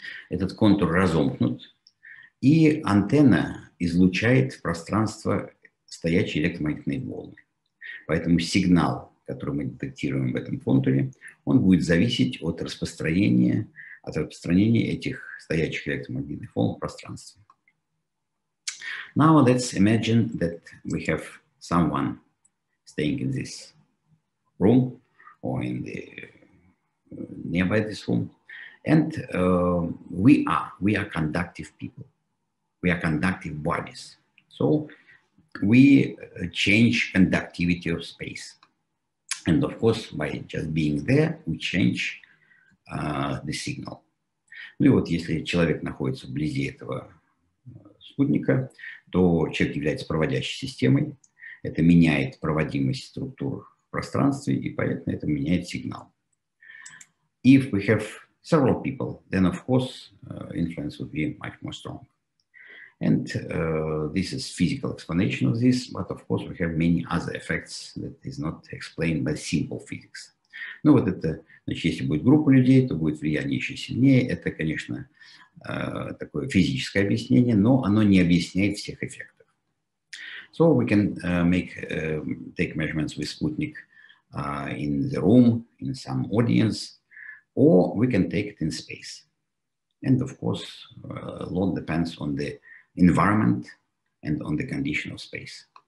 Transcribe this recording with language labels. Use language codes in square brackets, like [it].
[ru] Этот контур разомкнут, и антенна излучает в пространство стоячие электромагнитные волны. Поэтому сигнал, который мы детектируем в этом контуре, он будет зависеть от распространения этих стоячих электромагнитных волн в пространстве. [en] Now let's imagine that we have someone staying in this room or in the nearby this room, and we are conductive people. We are conductive bodies. So we change conductivity of space. And of course, by just being there, we change the signal. [ru] Ну и вот если человек находится вблизи этого спутника, то человек является проводящей системой. Это меняет проводимость структур в пространстве, и поэтому это меняет сигнал. [en] If we have several people, then of course, influence would be much more strong. And this is physical explanation of this, but of course we have many other effects that is not explained by simple physics. [ru] Ну вот это, значит, если будет группа людей, то будет влияние еще сильнее. Это, конечно, такое физическое объяснение, но оно не объясняет всех эффектов. [en] So we can take measurements with Sputnik in the room, in some audience, or we can take it in space. And of course, a lot depends on the environment and on the condition of space.